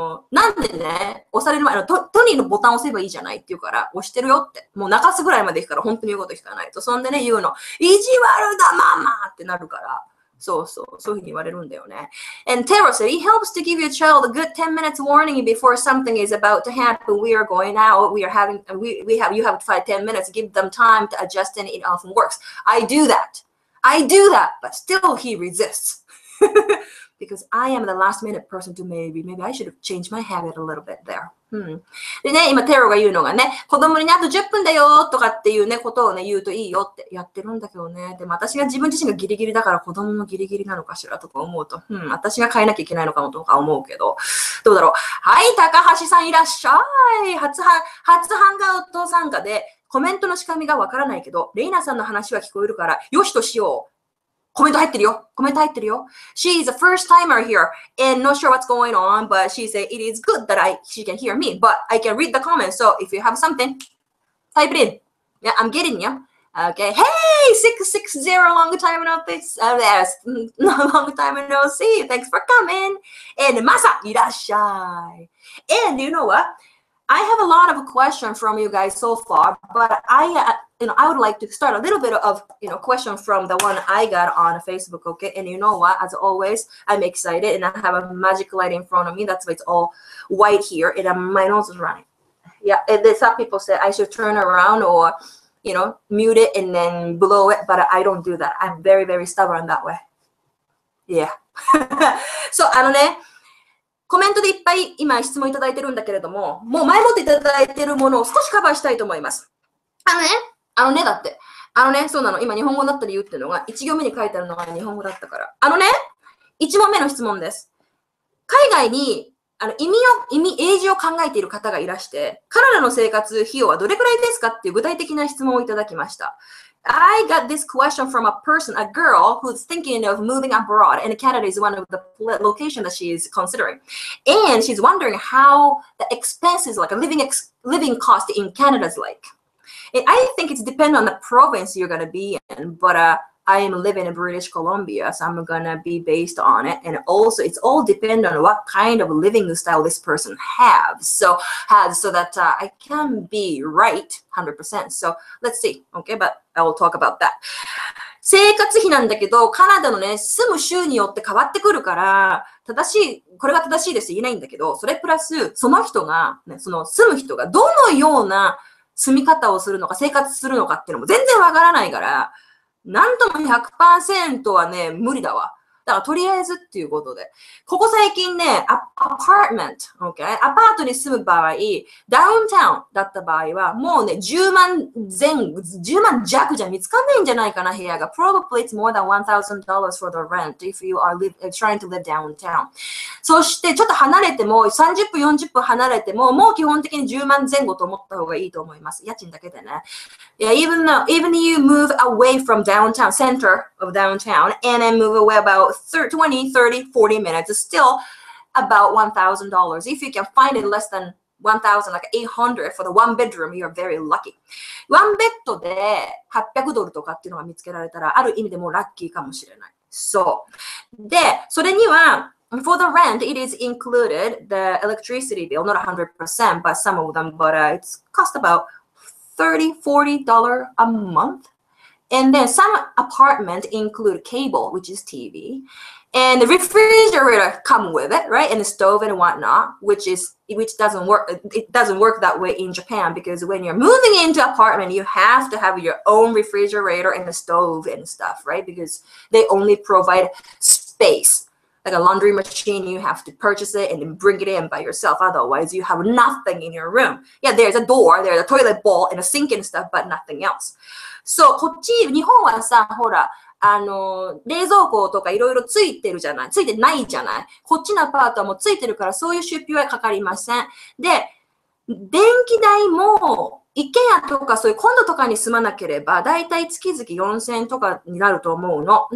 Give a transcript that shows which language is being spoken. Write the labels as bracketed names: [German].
[Japanese] なんでね、押される前の、トニーのボタン押せばいいじゃないって言うから、押してるよって。もう泣かすぐらいまで行くから、本当に言うこと聞かないと。そんでね、言うの、意地悪だ、ママってなるから。そうそう、そういうふうに言われるんだよね。 [English] And Taro said, it helps to give your child a good 10 minutes warning before something is about to happen. We are going out, you have 5-10 minutes. Give them time to adjust and it often works. I do that, but still he resists. Because I am the last minute person to maybe I should change my habit a little bit there.、 [Japanese] でね、今テロが言うのがね、子供にあと10分だよとかっていうね、ことをね、言うといいよってやってるんだけどね。でも私が自分自身がギリギリだから子供もギリギリなのかしらとか思うと、私が変えなきゃいけないのかもとか思うけど、どうだろう。はい、高橋さんいらっしゃい。初ハンガウト参加でコメントの仕組みがわからないけど、レイナさんの話は聞こえるから、よしとしよう。コメント入ってるよ。 [English] She is a first timer here and not sure what's going on, but she said it is good that she can hear me, but I can read the comments. So if you have something, type it in. Yeah, I'm getting you. Okay. Hey, 660, long time no see. Thanks for coming. And Masa, irashai. And you know what? I have a lot of questions from you guys so far, but I would like to start a little bit of, you know, question from the one I got on Facebook, okay? And you know what? As always, I'm excited and I have a magic light in front of me. That's why it's all white here and my nose is running. Yeah, and some people say I should turn around or, you know, mute it and then blow it, but I don't do that. I'm very, very stubborn that way. Yeah. [Japanese] So, あのね、コメントでいっぱい今質問いただいてるんだけれども、もう前もっていただいてるものを少しカバーしたいと思います。あのね、だって。あのね、そうなの。今、日本語だった理由っていうのが、1行目に書いてあるのが日本語だったから。あのね、1問目の質問です。海外に、英字を考えている方がいらして、カナダの生活費用はどれくらいですかっていう具体的な質問をいただきました。 [English] I got this question from a person, a girl, who's thinking of moving abroad, and Canada is one of the locations that she is considering. And she's wondering how the expenses, like a living cost in Canada is like. I think it depends on the province you're going to be in, but I am living in British Columbia, so I'm going to be based on it. And also, it's all depend on what kind of living style this person has, so that I can be right 100%. So let's see. Okay, but I will talk about that. [Japanese] 生活費なんだけど、カナダのね、住む州によって変わってくるから、これが正しいですって言えないんだけど、それプラス、その人が、ね、その住む人がどのような住み方をするのか生活するのかっていうのも全然わからないから、なんとも 100% はね、無理だわ。だからとりあえずっていうことで。ここ最近ね、アパートに住む場合、ダウンタウンだった場合は、もうね、10万弱じゃ見つかんないんじゃないかな、部屋が。 [English] Probably it's more than $1,000 for the rent if you are trying to live downtown. [Japanese] そして、ちょっと離れても、30分、40分離れても、もう基本的に10万前後と思った方がいいと思います。家賃だけでね。 [English] Yeah, even if you move away from downtown, center of downtown, and then move away about 20, 30, 40 minutes is still about $1,000. If you can find it less than $1,000, like $800 for the one bedroom, you're very lucky. [Japanese] One bed で$800とかっていうのが見つけられたら、ある意味でもラッキーかもしれない。そう。で、それには、 [English] For the rent, it is included the electricity bill, not 100%, but some of them, but it's cost about $30-$40 a month. And then some apartments include cable, which is TV, and the refrigerator come with it, right? And the stove and whatnot, which doesn't work that way in Japan, because when you're moving into apartment, you have to have your own refrigerator and the stove and stuff, right? Because they only provide space. Like a laundry machine, you have to purchase it and then bring it in by yourself. Otherwise, you have nothing in your room. Yeah, there's a door, there's a toilet bowl and a sink and stuff, but nothing else. [Japanese] So, こっち、日本はさ、ほら、冷蔵庫とかいろいろついてるじゃない、ついてないじゃない。こっちのアパートもついてるから、そういう出費はかかりません。で、電気代も、一軒家とかそういうコンドとかに住まなければ、だいたい月々4000円とかになると思うの。